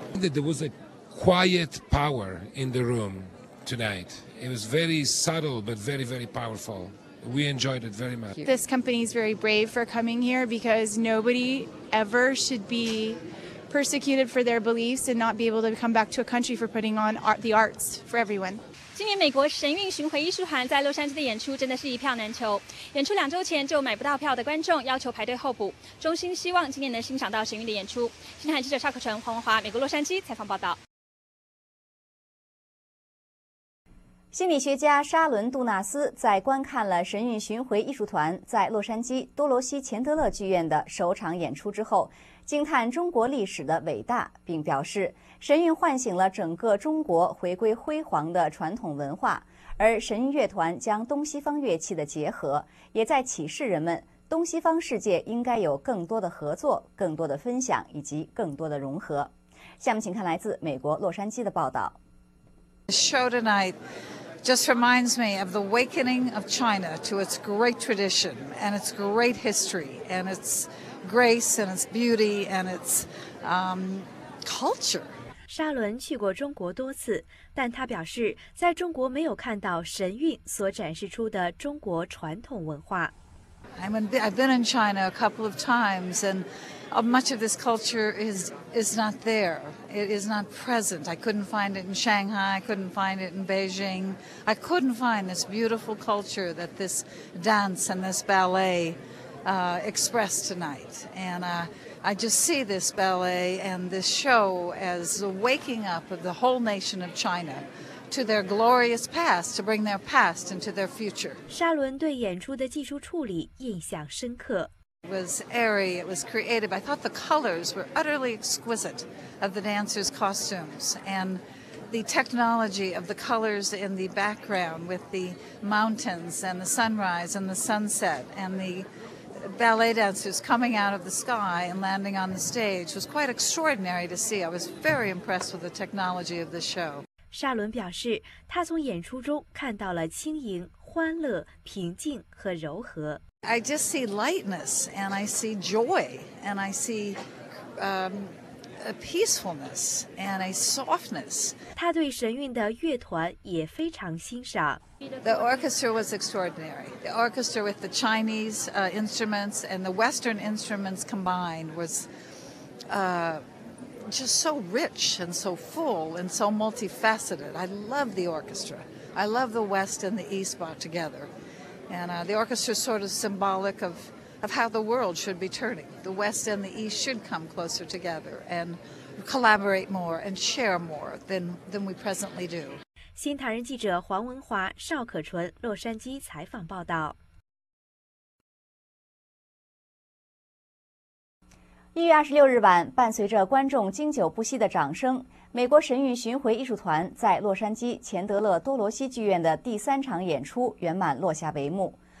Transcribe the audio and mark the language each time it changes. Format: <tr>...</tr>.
<en>There was a quiet power in the room tonight. It was very subtle, but very, very powerful. We enjoyed it very much. This company is very brave for coming here because nobody ever should be persecuted for their beliefs and not be able to come back to a country for putting on art, the arts for everyone.</en> <zh>今年美国神韵巡回艺术团在洛杉矶的演出真的是一票难求。演出两周前就买不到票的观众要求排队候补，衷心希望今年能欣赏到神韵的演出。新台记者邵可纯、黄文华，美国洛杉矶采访报道。心理学家沙伦·杜纳斯在观看了神韵巡回艺术团在洛杉矶多罗西·钱德勒剧院的首场演出之后，惊叹中国历史的伟大，并表示神韵唤醒了整个中国回归辉煌的传统文化，而神韵乐团将东西方乐器的结合，也在启示人们东西方世界应该有更多的合作、更多的分享以及更多的融合。下面请看来自美国洛杉矶的报道。</zh> <en>Show tonight just reminds me of the awakening of China to its great tradition and its great history and its grace and its beauty and its culture.</en> <zh>沙伦去过中国多次，但他表示在中国没有看到神韵所展示出的中国传统文化。</zh> <en>I've been in China a couple of times and much of this culture is not there. It is not present. I couldn't find it in Shanghai. I couldn't find it in Beijing. I couldn't find this beautiful culture that this dance and this ballet express tonight. And I just see this ballet and this show as the waking up of the whole nation of China. To their glorious past, to bring their past into their future.</en> <zh>沙伦对演出的技术处理印象深刻。</zh> <en>It was airy, it was creative. I thought the colors were utterly exquisite of the dancers' costumes. And the technology of the colors in the background with the mountains and the sunrise and the sunset and the ballet dancers coming out of the sky and landing on the stage was quite extraordinary to see. I was very impressed with the technology of the show.</en> <zh>沙伦表示，他从演出中看到了轻盈、欢乐、平静和柔和。</zh> <en>I just see lightness, and I see joy, and I see a peacefulness and a softness.</en> <zh>他对神韵的乐团也非常欣赏。</zh> <en>The orchestra was extraordinary. The orchestra with the Chinese instruments and the Western instruments combined was just so rich and so full and so multifaceted. I love the orchestra. I love the West and the East brought together. And the orchestra is sort of symbolic of how the world should be turning. The West and the East should come closer together and collaborate more and share more than we presently do.</en> <zh>新唐人记者黄文华、邵可纯，洛杉矶采访报道。 1月26日晚，伴随着观众经久不息的掌声，美国神韵巡回艺术团在洛杉矶钱德勒多罗西剧院的第三场演出圆满落下帷幕。</zh>